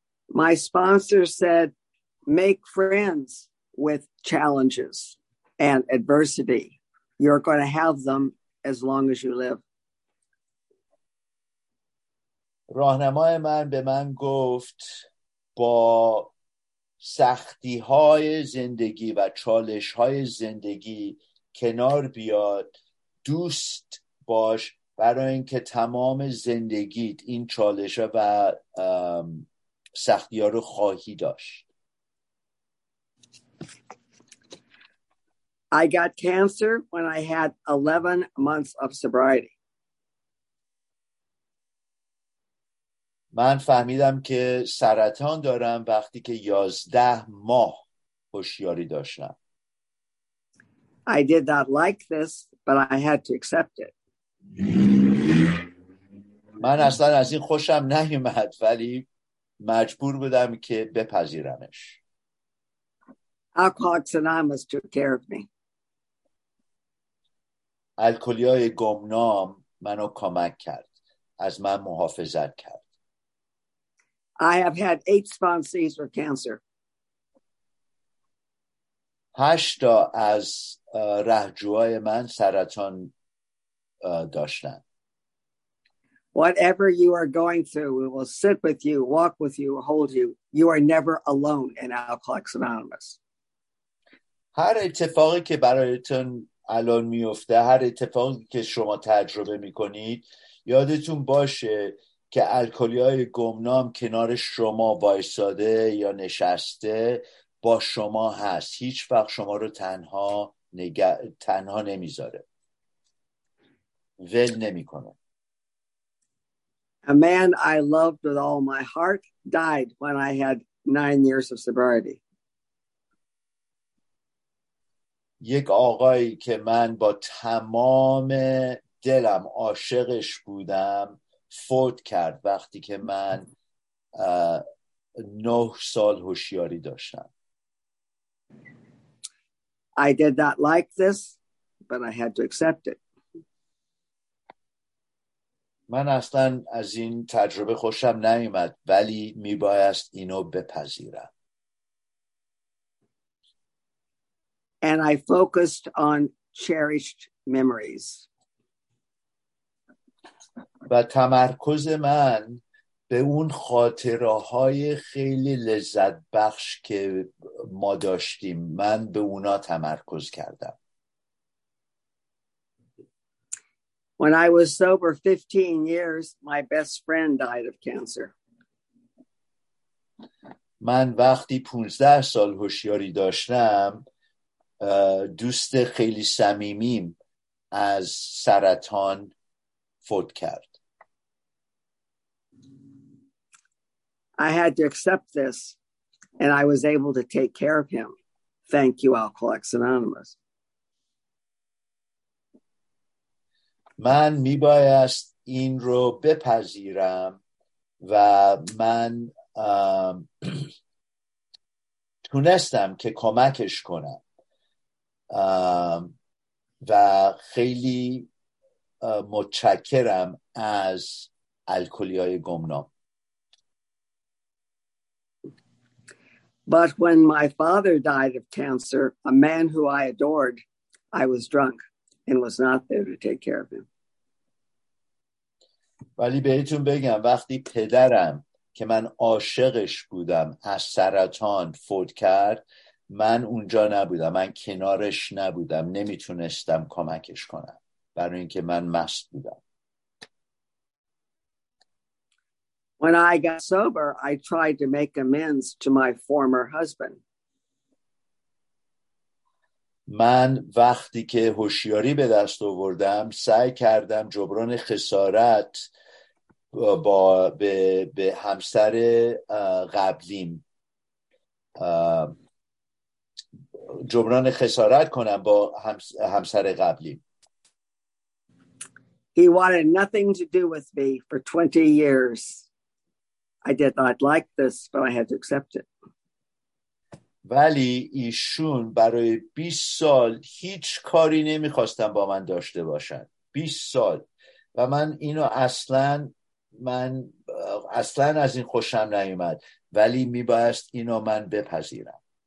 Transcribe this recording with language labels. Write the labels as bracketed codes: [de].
[en] My sponsor said make friends with challenges and adversity. You're going to have them as long as you live. [fa] راهنمای من به من گفت با سختی های زندگی و چالش های زندگی کنار بیاد، دوست باش، برای اینکه تمام زندگیت این چالش ها و سختی ها رو خواهی داشت. [en] I got cancer when I had 11 months of sobriety. [fa] من فهمیدم که سرطان دارم وقتی که 11 ماه هوشیاری داشتم. [en] I did not like this, but I had to accept it. [fa] من اصلا از این خوشم نیومد ولی مجبور بودم که بپذیرمش. [en] Alcoholics Anonymous took care of me. [fa] الکلی‌های گمنام منو کمک کرد، از من محافظت کرد. [en] I have had 8 sponsees with cancer. [fa] 8 از رهجوهای من سرطان داشتن. [en] Whatever you are going through, we will sit with you, walk with you, hold you. You are never alone in Alcoholics Anonymous. [fa] هر اتفاقی که برایتون الان میفته، هر اتفاقی که شما تجربه میکنید، یادتون باشه که الکلی‌های گمنام کنار شما وایساده یا نشسته، با شما هست، هیچ وقت شما رو تنها نمیذاره، ول نمیکنه. [en] A man I loved with all my heart died when I had 9 years of sobriety. [fa] یک آقایی که من با تمام دلم عاشقش بودم فوت کرد وقتی که من 9 سال هوشیاری داشتم. [en] I did not like this, but I had to accept it. [fa] من اصلا از این تجربه خوشم نیومد ولی میبایست اینو بپذیرم. [en] And I focused on cherished memories. [fa] و تمرکز من به اون خاطره‌های خیلی لذت بخش که ما داشتیم، من به اونا تمرکز کردم. [en] When I was sober 15 years, my best friend died of cancer. [fa] من وقتی 15 سال هوشیاری داشتم، دوست خیلی صمیمیم از سرطان فوت کرد. [en] I had to accept this and I was able to take care of him. Thank you, Alcoholics Anonymous. [fa] من میبایست این رو بپذیرم و من تونستم که کمکش کنم. و خیلی متشکرم از الکلی‌های گمنام. [en] But when my father died of cancer, a man who I adored, I was drunk and was not there to take care of him. [fa] ولی بهتون بگم وقتی پدرم که من عاشقش بودم از سرطان فوت کرد، من اونجا نبودم، من کنارش نبودم، نمیتونستم کمکش کنم برای اینکه من مست بودم. [en] When I got sober, I tried to make amends to my former husband. [fa] من وقتی که هوشیاری به دست آوردم سعی کردم جبران خسارت با به همسر قبلیم جبران خسارت کنم با همسر قبلیم. [en] He wanted nothing to do with me for 20 years. I did not like this, but I had to accept it. [fa] ولی ایشون برای 20 سال هیچ کاری نمیخواستن با من داشته باشن، 20 سال، و من اینو اصلا، من اصلا از این خوشم نیومد، ولی میبایست اینو من بپذیرم.